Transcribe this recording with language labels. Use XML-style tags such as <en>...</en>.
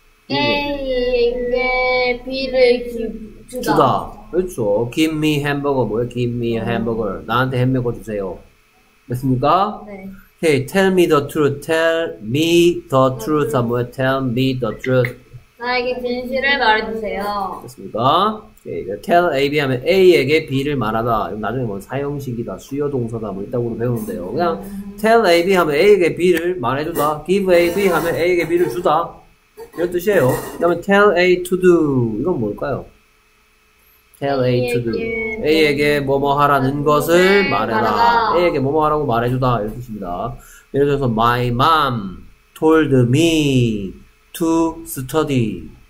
<ko>A에게 B를 주다. 그렇죠.</ko> <en>Give me hamburger.</en> <ko>뭐예요?</ko> <en>Give me a hamburger.</en> <ko>나한테 햄버거 주세요. 됐습니까? 네.</ko> <en>Hey, tell me the truth. Tell me the truth.</en> <ko>뭐예요?</ko> <en>Tell me the truth.</en> <ko>나에게 진실을 말해주세요. 됐습니까? 오케이. Tell AB 하면 A에게 B를 말하다. 나중에 뭐 사용식이다, 수요 동사다 뭐 있다고도 배우는데요. 그냥 Tell AB 하면 A에게 B를 말해주다. Give AB 하면 A에게 B를 주다. 이런 뜻이에요. 그 다음에</ko> <en>Tell A to do.</en> <ko>이건 뭘까요?</ko> <en>Tell A to do.</en> <ko>A에게 뭐뭐 하라는 것을 말해라. A에게 뭐뭐 하라고 말해주다. 이런 뜻입니다. 예를 들어서</ko> <en>My mom told me to study.</en>